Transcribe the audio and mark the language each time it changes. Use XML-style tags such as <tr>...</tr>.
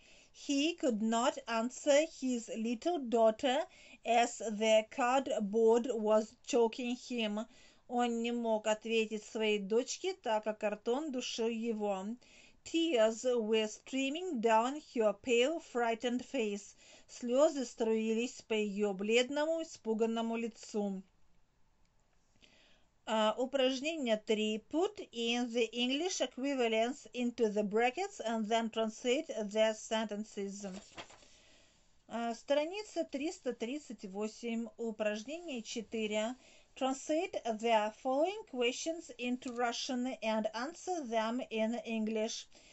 <en>He could not answer his little daughter as the cardboard was choking him.</en> <ru>Он не мог ответить своей дочке, так как картон душил его.</ru> <en>Tears were streaming down her pale, frightened face.</en> <ru>Слезы струились по ее бледному, испуганному лицу. Упражнение 3.</ru> <en>Put in the English equivalents into the brackets and then translate the sentences.</en> <ru>Страница 338. Упражнение 4.</ru> <en>Translate the following questions into Russian and answer them in English.</en>